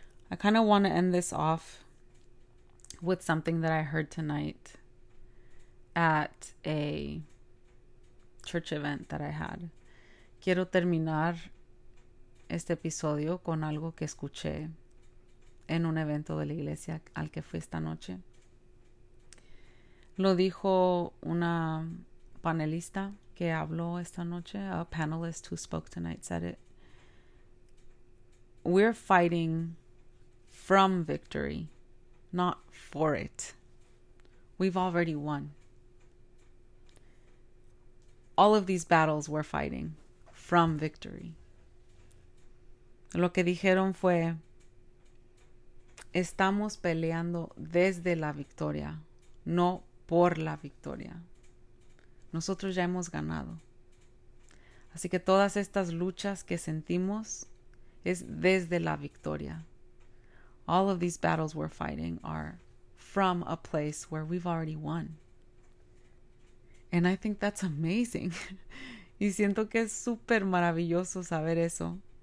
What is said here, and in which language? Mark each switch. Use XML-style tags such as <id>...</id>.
<en>I kind of want to end this off with something that I heard tonight at a church event that I had.</en> <es>Quiero terminar este episodio con algo que escuché en un evento de la iglesia al que fui esta noche. Lo dijo una panelista que habló esta noche,</es> <en>a panelist who spoke tonight, said it. We're fighting from victory, not for it. We've already won. All of these battles we're fighting from victory.</en> <es>Lo que dijeron fue, estamos peleando desde la victoria, no por la victoria. Nosotros ya hemos ganado. Así que todas estas luchas que sentimos es desde la victoria.</es> <en>All of these battles we're fighting are from a place where we've already won. And I think that's amazing.</en> <es>Y siento que es súper maravilloso saber eso.</es>